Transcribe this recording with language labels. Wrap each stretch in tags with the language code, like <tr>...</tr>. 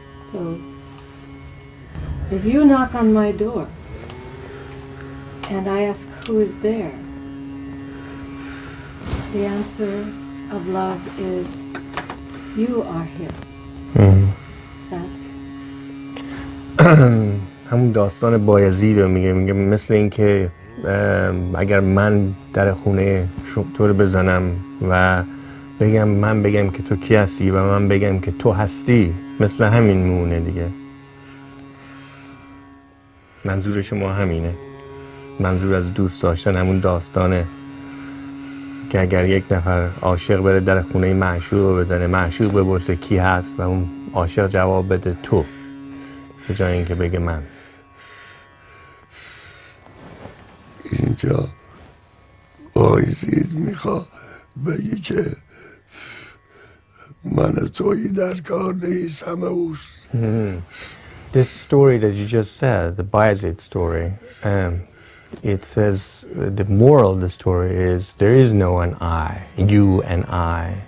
<en>So if you knock on my door and I ask who is there, the answer of love is, you are here.</en> <fa>همون داستان بایزید رو میگه مثل اینکه اگر من در خونه تو رو بزنم و بگم که تو کی هستی و من بگم که تو هستی، مثل همین مونه دیگه. منظور شما همینه، منظور از دوست داشتن همون داستانه که اگر یک نفر عاشق بره در خونه معشوق رو بزنه، معشوق بپرسه کی هست و اون عاشق جواب بده تو، به جای اینکه بگه من. اینجا آیزید میخواد بگه که من توی در کار نیست، همه اوست.</fa> <en>This story that you just said, the Bayezid story, it says the moral of the story is there is no an I, you and I.</en>